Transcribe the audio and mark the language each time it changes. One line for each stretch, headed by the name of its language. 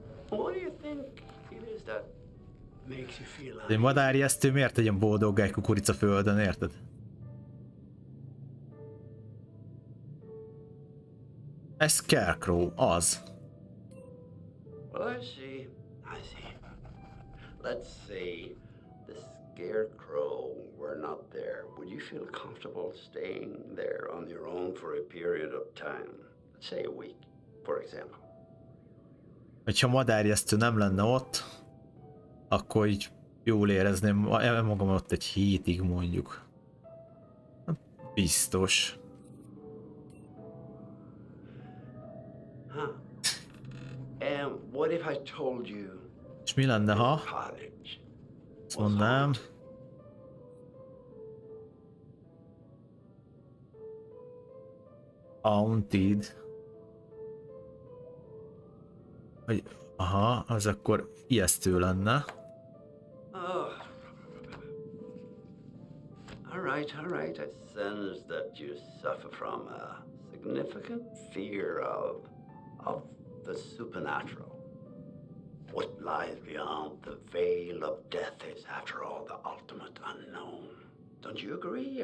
English: What do you think it is that makes you feel uneasy?
Hungarian: Egy madárijesztő miért egy ilyen boldog egy kukorica földön, érted? Ez Scarecrow, az.
English: Well, I see. Let's see. The scarecrow were not there. Would you feel comfortable staying there on your own for a period of time? Say a week, for example.
Hungarian: Hogyha madárjesztő nem lenne ott, akkor így jól érezném magam ott egy hétig mondjuk. Biztos.
English: And what if I told you?
Hungarian: És mi lenne, ha? Mondnám.
English: Haunted.
Hungarian: Hogy, aha, az akkor ijesztő lenne. Oh.
English: All right, I sense that you suffer from a significant fear of the supernatural. What lies beyond the veil of death is, after all, the ultimate unknown. Don't you agree?